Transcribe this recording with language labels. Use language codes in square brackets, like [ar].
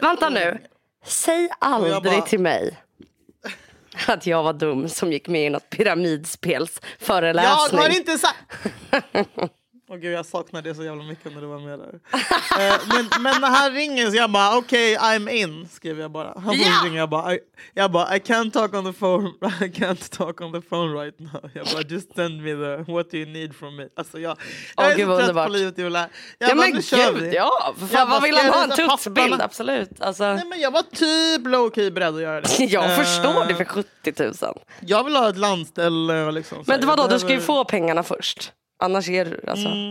[sv] Vänta nu, säg aldrig till mig att jag var dum som gick med i något pyramidspels föreläsning. Jag har inte sagt. Åh gud, jag saknar det så jävla mycket när du var med där. men när han ringer så jag bara, okej, [en] okay, I'm in, [sv] skrev jag bara. Han yeah! ringer, jag bara, [en] I can't talk on the phone. I can't talk on the phone right now. [sv] Jag bara, [en] just send me the, what do you need from me? [sv] Alltså jag gud, är så trött på livet, Jula. Ja, men gud, vad vill han ha? En tutsbild, absolut. Alltså. Nej, men jag var typ low-key beredd att göra det. Jag förstår det för 70 000. Jag vill ha ett landställe liksom. Men vadå, behöver... du ska ju få pengarna först. Annars ger du, alltså.